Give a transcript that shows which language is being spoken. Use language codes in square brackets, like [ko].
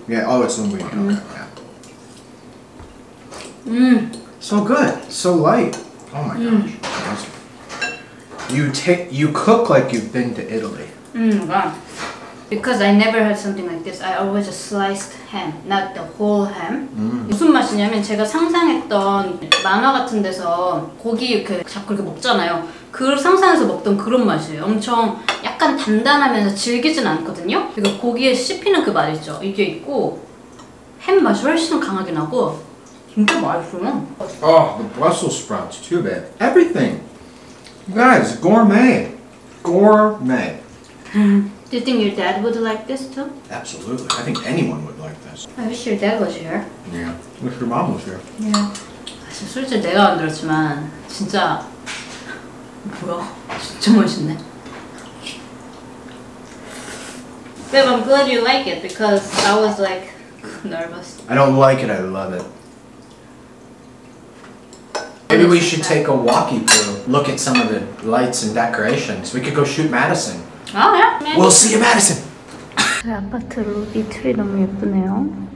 [en] Yeah, oh, it's linguine. Okay, yeah. So good. So light. Oh my gosh. You cook like you've been to Italy. Because I never had something like this. I always just sliced ham, not the whole ham. Mm. [ko] 무슨 맛이냐면 제가 상상했던 만화 같은 데서 고기 이렇게 자꾸 이렇게 먹잖아요. 그걸 상상해서 먹던 그런 맛이에요. 엄청 약간 단단하면서 질기진 않거든요. 그리고 고기에 씹히는 그 맛 있죠. 이게 있고 햄 맛이 훨씬 강하게 나고 진짜 맛있어요. [en] Oh, the Brussels sprouts too, babe. Everything. You guys, gourmet. Gourmet. Do you think your dad would like this too? Absolutely. I think anyone would like this. I wish your dad was here. Yeah. Wish your mom was here. Yeah. [ko] 사실 솔직히 내가 만들었지만 진짜 뭐야? 진짜 멋있네. [en] Babe, I'm glad you like it because I was like nervous. I don't like it. I love it. Maybe we should take a walkie through, look at some of the lights and decorations. We could go shoot Madison. Oh, yeah, maybe. We'll see you, Madison. [ko] 저희 아파트 로비 트리 너무 예쁘네요.